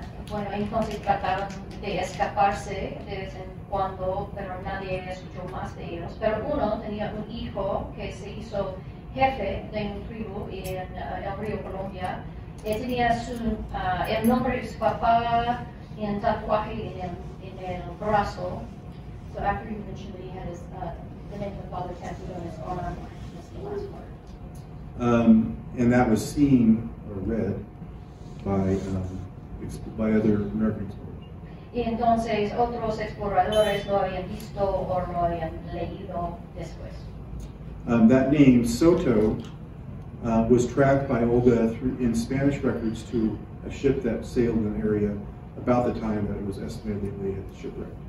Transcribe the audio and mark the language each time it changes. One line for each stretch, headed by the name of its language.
Spanish: Bueno, entonces trataron de escaparse de vez en cuando, pero nadie escuchó más de ellos. Pero uno tenía un hijo que se hizo jefe de un tribu en el río Colombia. Él tenía el nombre de su papá y el tatuaje en el brazo.
English: So after you mentioned that he had his the name of the father tattooed on his arm, that's the last part. And that was seen or read by other American explorers.
Spanish: Y entonces otros exploradores lo habían visto o lo habían leído después.
English: That name, Soto, was tracked by Olga through in Spanish records to a ship that sailed in the area about the time that it was estimated they lay at the shipwreck.